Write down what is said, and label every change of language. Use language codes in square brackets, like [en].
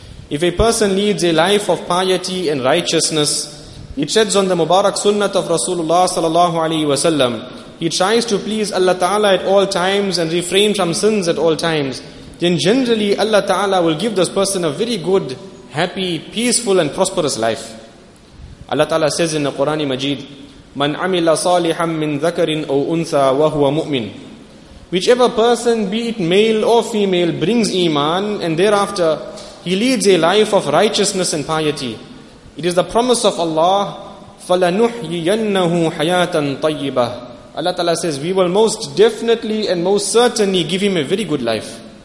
[en] If a person leads a life of piety and righteousness, he treads on the Mubarak Sunnah of Rasulullah sallallahu alaihi wasallam. He tries to please Allah Ta'ala at all times and refrain from sins at all times. Then generally Allah Ta'ala will give this person a very good, happy, peaceful and prosperous life. Allah Ta'ala says in the Qur'an Majid, [ar] مَنْ عَمِلَ صَالِحًا مِّنْ ذَكَرٍ أَوْ أُنْثَى وَهُوَ مُؤْمِنٌ. [en] Whichever person, be it male or female, brings iman and thereafter he leads a life of righteousness and piety, it is the promise of Allah, [ar] فَلَنُحْيِيَنَّهُ حَيَاةً طَيِّبَةً. [en] Allah Ta'ala says, we will most definitely and most certainly give him a very good life.